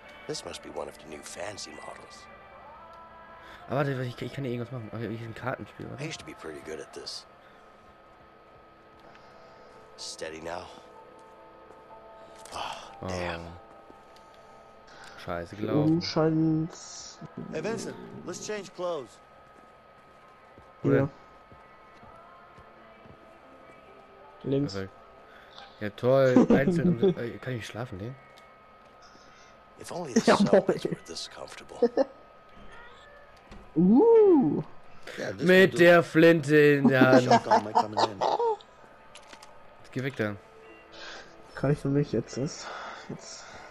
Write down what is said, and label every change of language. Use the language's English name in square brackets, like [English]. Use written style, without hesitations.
[English] This must be one of the new fancy models. [German] Aber warte, ich kann hier irgendwas machen. Okay, hier ist ein Kartenspiel. [English] I used to be pretty good at this. Steady now. Oh, damn. [German] Scheiße gelaufen. Scheint's. [English] Hey Vincent, let's change clothes. [German] Hier. Yeah. Links. Ja toll, einzeln. kann ich schlafen, ne? [English] If only the sun was this comfortable. [German] Mit der Flinte in der Hand. Geh weg dann. Kann ich für mich jetzt das? Jetzt.